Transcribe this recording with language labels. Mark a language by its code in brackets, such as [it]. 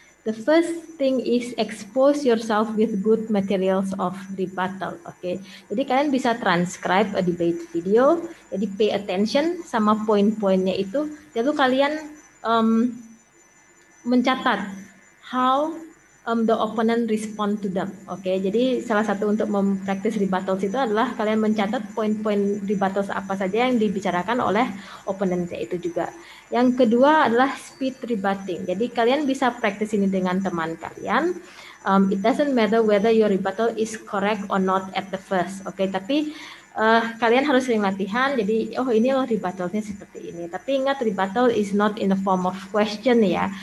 [en] The first thing is expose yourself with good materials of rebuttal. Okay? [id] Jadi kalian bisa [en] transcribe a debate video. [id] Jadi [en] pay attention [id] sama poin-poinnya itu. Lalu kalian mencatat [en] how the opponent respond to them. Okay? [id] Jadi salah satu untuk mempraktis rebuttals itu adalah kalian mencatat poin-poin rebuttals apa saja yang dibicarakan oleh opponent itu juga. Yang kedua adalah speed rebutting. Jadi kalian bisa praktis ini dengan teman kalian. [en] It doesn't matter whether your rebuttal is correct or not at the first. Okay? [id] Tapi kalian harus sering latihan. Jadi oh ini loh rebuttalnya seperti ini. Tapi ingat, [en] rebuttal is not in the form of question ya.